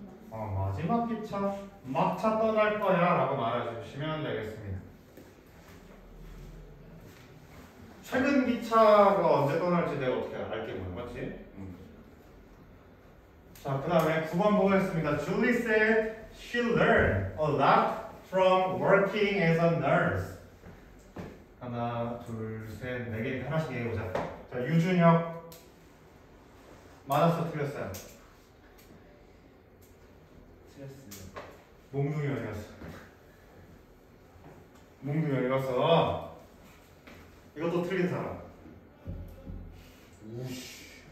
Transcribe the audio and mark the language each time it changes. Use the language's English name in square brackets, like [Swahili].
[Korean] 마지막 기차, 막차 떠날 거야 라고 말해주시면 되겠습니다. 최근 기차가 언제 떠날지 내가 어떻게 알게 뭐야, 맞지? 자, 그 다음에 9번 보겠습니다. [English] Julie said she learned a lot from working as a nurse. [Korean] 하나, 둘, 셋, 네 개, 하나씩 얘기해보자. 자, 유준혁. 맞았어, 틀렸어요? 틀렸어요. 몽둥이 열렸어. 몽둥이 열렸어. 이것도 틀린 사람. 우씨.